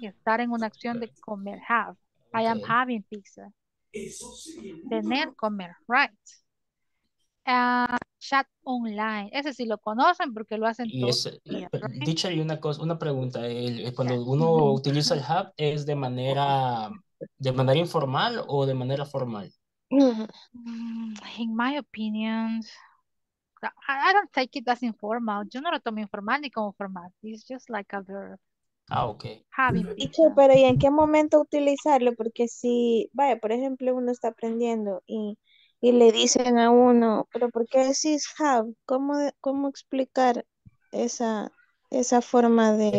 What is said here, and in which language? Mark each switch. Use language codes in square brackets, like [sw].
[es] Estar en una acción de comer, have. Okay. [en] I am having pizza. [es] Eso sí. Tener, comer, right. [en] Chat online. [es] Ese sí lo conocen porque lo hacen todos. Dicho ahí una pregunta. Cuando uno utiliza el have, ¿es de manera... ¿de manera informal o de manera formal? [en] In my opinion, I don't take it as informal. [es] Yo no lo tomo informal ni como formal. [en] It's just like a verb. Ah, okay. Having [es] dicho, pero ¿y en qué momento utilizarlo? Porque si, vaya, por ejemplo, uno está aprendiendo y le dicen a uno, ¿pero por qué decís have? ¿Cómo explicar esa forma de...?